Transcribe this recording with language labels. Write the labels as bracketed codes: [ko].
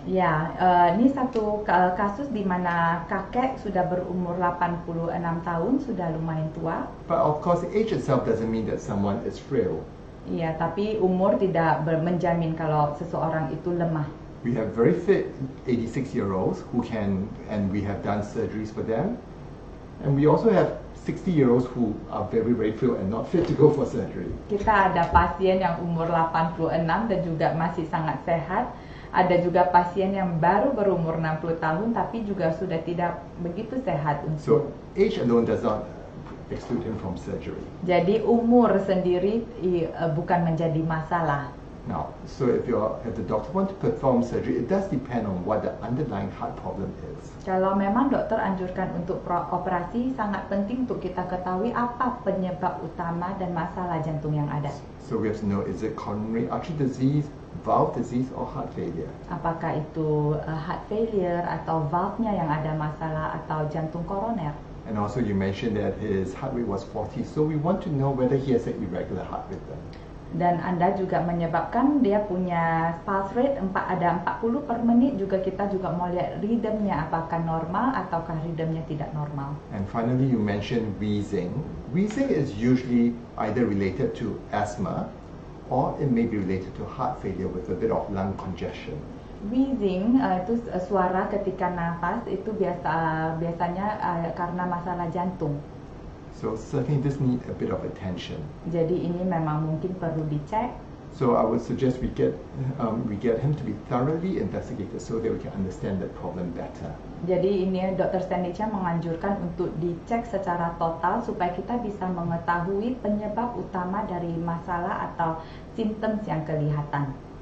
[id] Yeah, ini satu kasus di mana kakek sudah berumur 86 tahun, sudah lumayan tua. [en] But of course, age itself doesn't mean that someone is frail. [id] Yeah, tapi umur tidak menjamin kalau seseorang itu lemah. [en] We have very fit 86-year-olds who can, and we have done surgeries for them. And we also have 60-year-olds who are very, very frail and not fit to go for surgery. [id] Kita ada pasien yang umur 86 dan juga masih sangat sehat. Ada juga pasien yang baru berumur 60 tahun tapi juga sudah tidak begitu sehat. [en] So, age alone does not exclude him from surgery. [id] Jadi umur sendiri bukan menjadi masalah. [en] Now, so if the doctor wants to perform surgery, it does depend on what the underlying heart problem is. [id] Kalau memang dokter anjurkan untuk operasi, sangat penting untuk kita ketahui apa penyebab utama dan masalah jantung yang ada. [en] So we have to know, is it coronary artery disease, valve disease, or heart failure? [id] Apakah itu heart failure atau valve-nya yang ada masalah atau jantung koroner? [en] And also you mentioned that his heart rate was 40, so we want to know whether he has an irregular heart rhythm. [id] Dan Anda juga menyebabkan dia punya pulse rate 40 per menit, juga kita juga mau lihat rhythmnya apakah normal ataukah rhythmnya tidak normal. [en] And finally you mentioned wheezing. Wheezing is usually either related to asthma or it may be related to heart failure with a bit of lung congestion. [id] Wheezing itu suara ketika nafas itu biasanya karena masalah jantung. [en] So certainly this needs a bit of attention. [id] Jadi ini memang mungkin perlu dicek. [en] So I would suggest we get him to be thoroughly investigated so that we can understand the problem better. [id] Jadi ini Dr. Stanley menganjurkan untuk dicek secara total supaya kita bisa mengetahui penyebab utama dari masalah atau symptoms yang kelihatan.